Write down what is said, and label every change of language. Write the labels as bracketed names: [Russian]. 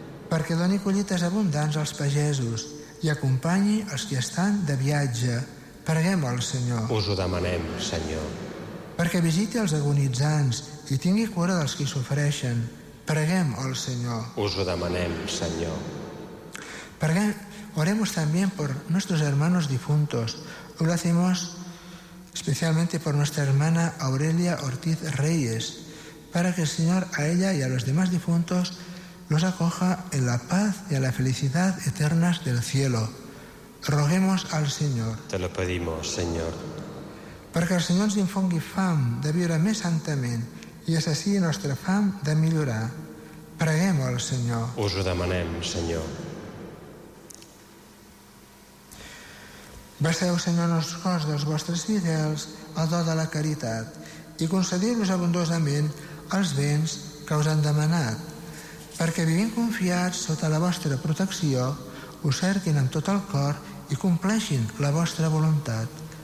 [Catalan] Perquè doni collites abundants als pagesos i acompanyi els que estan de viatge, preguem al Senyor. Us ho demanem, Senyor. Perquè visiti els agonitzants i tingui cura dels qui sofreixen, preguem al Senyor. Us ho demanem, Senyor. [Spanish] Perquè oremos también por nuestros hermanos difuntos. Lo hacemos especialmente por nuestra hermana Aurelia Ortiz Reyes, para que el Señor a ella y a los demás difuntos los acoja en la paz y en la felicidad eternas del cielo. Roguemos al Señor. Te lo pedimos, Señor. [Catalan] Perquè el Senyor ens infongui fam de viure més santament i és així la nostra fam de millorar. Preguem al Senyor. Us ho demanem, Senyor. Baseu, Senyor, en els cors dels vostres fidels el do de la caritat i concediu-los abundosament els béns que us han demanat, perquè vivint confiats sota la vostra protecció, us cerquin amb tot el cor i compleixin la vostra voluntat.